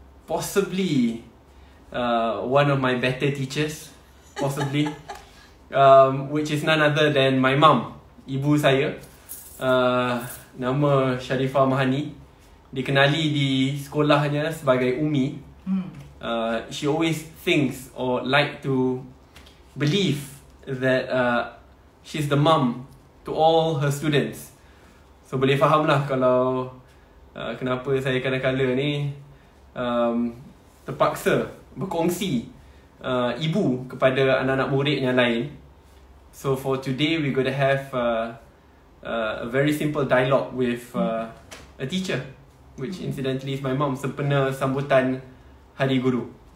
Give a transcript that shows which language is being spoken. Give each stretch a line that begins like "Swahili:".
English: Possibly one of my better teachers, possibly, which is none other than my mum,
Malay: ibu saya, nama Sharifah Mahani, dikenali di sekolahnya sebagai Umi.
English: She always thinks or like to believe that she's the mum to all her students.
Malay: So boleh fahamlah kalau kenapa saya kadang-kadang ni terpaksa berkongsi ibu kepada anak-anak murid yang lain.
English: So for today we're going to have a very simple dialogue with a teacher, which incidentally is my mom,
Malay: sempena sambutan Hari Guru.